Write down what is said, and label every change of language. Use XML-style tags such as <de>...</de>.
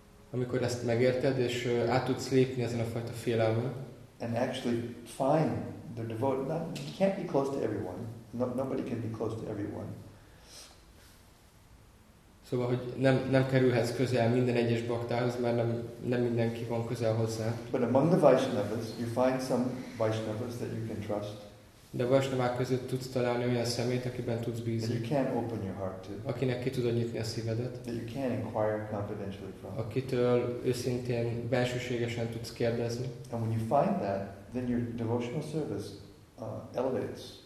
<hu>amikor ezt megérted, és át tudsz lépni ezen a fajta félelmen.</hu> <en>And actually find the devotee. Not, you can't be close to everyone. Nobody can be close to everyone.</en> <hu>Szóval, hogy nem kerülhetsz közel minden egyes baktához, mert nem mindenki van közel hozzá.</hu> <en>But among the Vaishnavas, you find some Vaishnavas that you can trust.</en> <hu>De a Vaishnavák között tudsz találni olyan szemét, akiben tudsz bízni.</hu> <en>That you can open your heart to.</en> <hu>Akinek ki tudod nyitni a szívedet.</hu> <en>That you can inquire confidentially from.</en> <hu>Akitől őszintén, belsőségesen tudsz kérdezni.</hu> <en>And when you find that, then your devotional service elevates.</en>